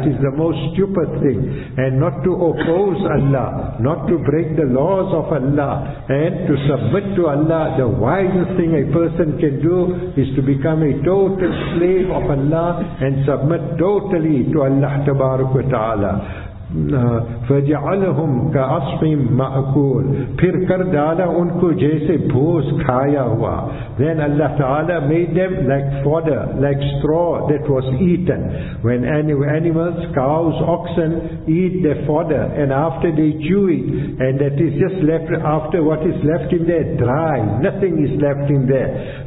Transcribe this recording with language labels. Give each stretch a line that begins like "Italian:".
English: It is the most stupid thing. And not to oppose Allah, not to break the laws of Allah, and to submit to Allah. The wisest thing a person can do is to become a total slave of Allah and submit totally to Allah Tabarak wa Ta'ala.
Arabic: فَجَعَلَهُمْ كَأَصْفِمْ مَأْكُولِ
Urdu: پھر کر ڈالا ان کو جیسے بھوس کھایا ہوا.
English: Then Allah Ta'ala made them like fodder, like straw that was eaten. When animals, cows, oxen eat their fodder, and after they chew it, and that is just left after what is left in there, dry, nothing is left in there.